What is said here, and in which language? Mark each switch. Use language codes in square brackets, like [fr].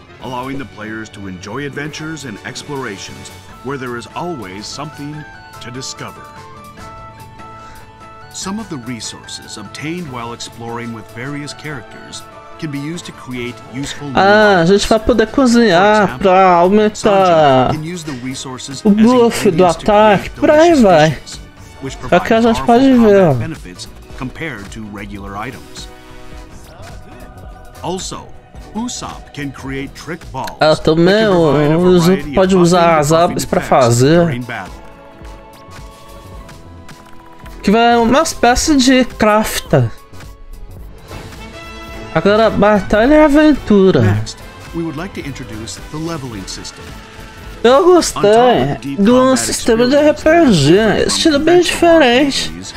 [en] allowing the players to enjoy adventures and explorations where there is always something to discover. Some of the resources obtained while exploring with various characters can be used to create useful new [pt] items. A gente vai poder cozinhar para aumentar o buff do ataque, por aí vai. Aqui a gente pode ver. [en] Compared to regular items. Also, Usopp can create trick balls. [pt] Ah, também o Usopp pode usar as aves para fazer. Que vai uma espécie de crafta. Agora batalha e aventura. [en] Next, we would like to introduce the leveling system. [pt] Eu gostei do sistema de RPG, estilo bem diferente.